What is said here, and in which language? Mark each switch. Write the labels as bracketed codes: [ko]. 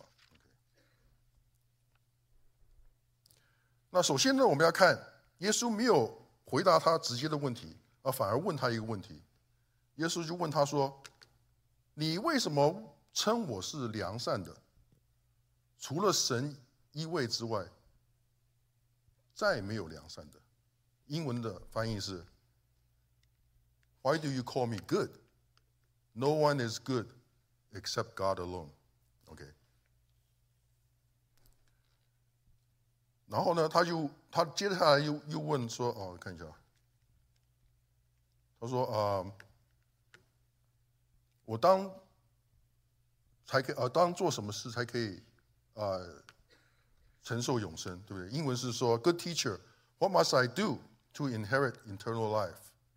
[zh] OK， 那首先呢，我们要看耶稣没有回答他直接的问题，而反而问他一个问题。耶稣就问他说，你为什么称我是良善的，除了神一位之外再没有良善的。英文的翻译是 [en] Why do you call me good? No one is good except God alone. OK。 [zh] 然后呢，他接下来又问说，哦，看一下，他说，我当才可以，当做什么事才可以，承受永生，对不对？英文是说 ， [en] Good teacher, what must I do to inherit eternal life？